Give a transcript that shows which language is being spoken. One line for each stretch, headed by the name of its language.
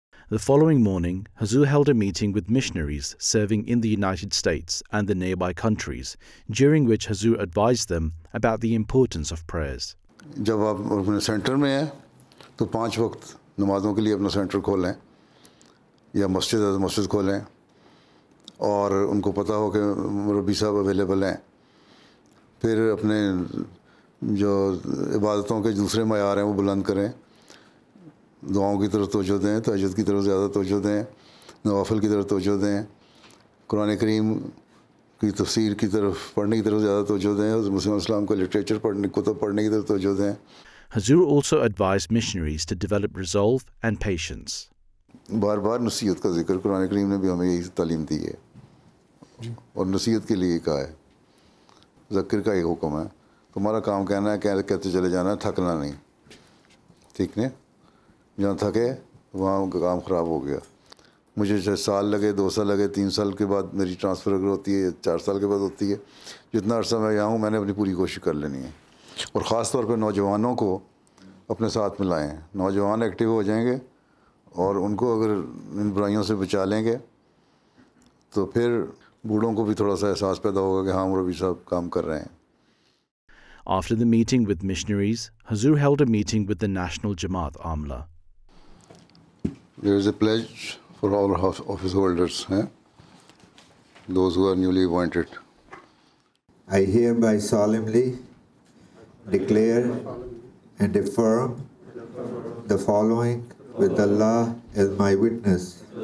English: The following morning, Huzoor held a meeting with missionaries serving in the United States and the nearby countries, during which Huzoor advised them about the importance of prayers. When you are in the center, then open your center for 5 times, or open your masjid as a masjid, and you know that the Rabbi is available.
Urdu: Then, جو عبادتوں کے دوسرے معیار ہیں وہ بلند کریں, دعاؤں کی طرف توجہ دیں, تہجد کی طرف زیادہ توجہ دیں, نوافل کی طرف توجہ دیں, قرآن کریم کی تفسیر کی طرف پڑھنے کی طرف زیادہ توجہ دیں, مسلم اسلام کا لٹریچر پڑھنے کتب پڑھنے کی طرف توجہ دیں.
English: Huzoor also advised missionaries to develop resolve and patience.
Urdu: بار بار نصیحت کا ذکر, قرآن کریم نے بھی ہمیں یہی تعلیم دی ہے اور نصیحت کے لیے کہا ہے, ذکر کا ایک حکم ہے. تمہارا کام کہنا ہے, کہتے چلے جانا ہے, تھکنا نہیں, ٹھیک نہیں, جہاں تھکے وہاں ان کا کام خراب ہو گیا. مجھے چاہے سال لگے, دو سال لگے, تین سال کے بعد میری ٹرانسفر اگر ہوتی ہے یا چار سال کے بعد ہوتی ہے, جتنا عرصہ میں یہاں ہوں میں نے اپنی پوری کوشش کر لینی ہے. اور خاص طور پہ نوجوانوں کو اپنے ساتھ ملائیں, نوجوان ایکٹیو ہو جائیں گے اور ان کو اگر ان برائیوں سے بچا لیں گے تو پھر بوڑھوں کو بھی تھوڑا سا احساس پیدا ہوگا کہ ہاں مربی صاحب کام کر رہے ہیں.
English: After the meeting with missionaries, Huzoor held a meeting with the National Jama’at Amila. There is a pledge for all office holders, those who are newly appointed. I hereby solemnly declare and affirm the following with Allah as my witness.